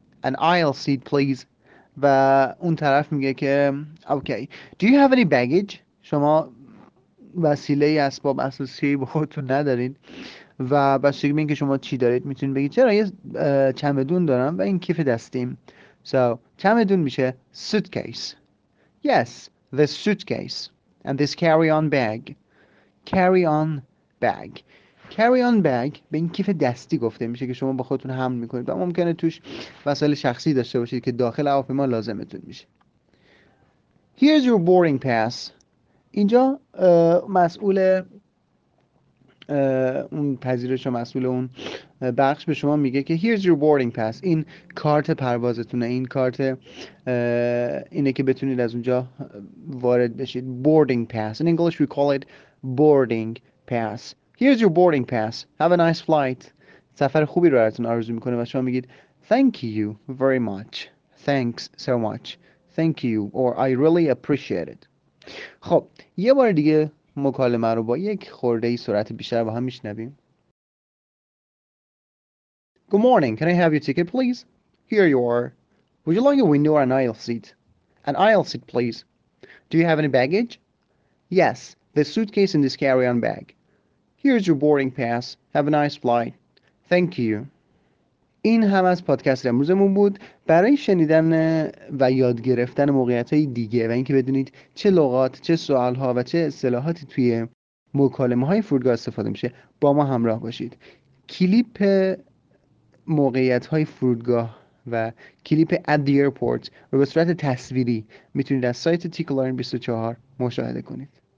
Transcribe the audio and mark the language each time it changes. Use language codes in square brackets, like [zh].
[en] An aisle seat please. [fa] و اون طرف میگه که okay. [en] Do you have any baggage? [fa] شما وسیله اسباب اساسی با خودتون ندارید و بس دیگه ببینید که شما چی دارید. میتونید بگید چرا یه چمدون دارم و این کیف دستیم. So چمدون میشه suitcase. [en] Yes, this suitcase and this carry-on bag. Carry-on bag. [fa] Carry-on bag به این کیف دستی گفته میشه که شما با خودتون حمل میکنید و ممکنه توش وسایل شخصی داشته باشید که داخل هواپیما لازمتون میشه. [en] Here's your boarding pass. [fa] اینجا مسئول اون پذیرش و مسئول اون بخش به شما میگه که Here's your boarding pass. این کارت پروازتونه، این کارت اینه که بتونید از اونجا وارد بشید. [en] Boarding pass. In English we call it boarding pass. Here's your boarding pass. Have a nice flight. [fa] سفر خوبی رو براتون آرزو میکنه و شما میگید [en] Thank you very much. Thanks so much. Thank you. Or I really appreciate it. [fa] خب یه بار دیگه مکالمه رو با یک خورده ای سرعت بیشتر با هم میشنویم. [en] Good morning, can I have your ticket please? Here you are. Would you like a window or an aisle seat? An aisle seat please. Do you have any baggage? Yes, the suitcase and this carry-on bag. Here's your boarding pass. Have a nice flight. Thank you. [fa] این هم از پادکست امروزمون بود. برای شنیدن و یاد گرفتن موقعیت های دیگه و اینکه بدونید چه لغات، چه سوال ها و چه اصطلاحاتی توی مکالمه های فرودگاه استفاده میشه، با ما همراه باشید. کلیپ موقعیت های فرودگاه و کلیپ at the airport رو به صورت تصویری میتونید از سایت تیکلاین 24 مشاهده کنید.